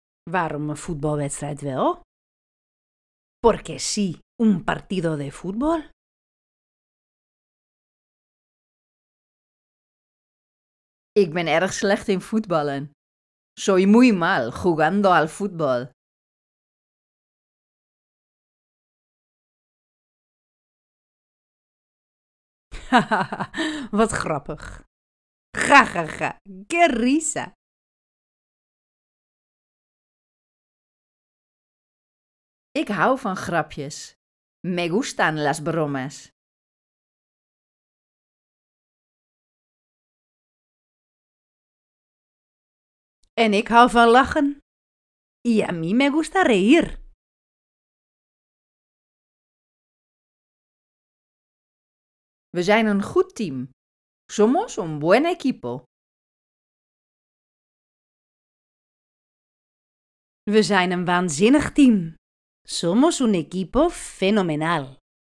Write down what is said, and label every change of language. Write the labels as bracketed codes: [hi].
[nl] Waarom een voetbalwedstrijd wel? [es] Porque sí, un partido de fútbol. [nl] Ik ben erg slecht in voetballen. [es] Soy muy mal jugando al fútbol. [nl] Wat grappig. Ja, ja, ja. Qué risa. Ik hou van grapjes. Me gustan las bromas. En ik hou van lachen. Y a mí me gusta reír. We zijn een goed team. Somos un buen equipo. We zijn een waanzinnig team. [es] Somos un equipo fenomenal.